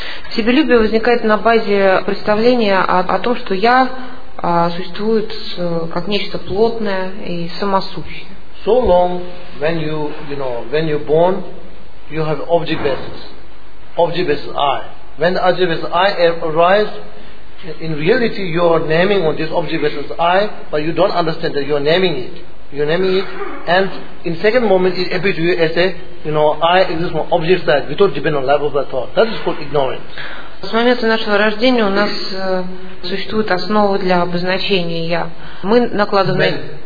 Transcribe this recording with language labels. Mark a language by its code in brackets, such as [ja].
[ru] Себелюбие возникает на базе представления о том, что я существует как нечто плотное и самосущее. [en] So long when you born, you have object basis I. When the object basis I arises, in reality you are naming on this object basis I, but you don't understand that you are naming it. You are naming it, and in second moment it appears to you as a, I exist from object side without dependent on level of the thought. That is called ignorance. [ru] С момента нашего рождения у нас существуют основы для обозначения «я». Мы накладываем...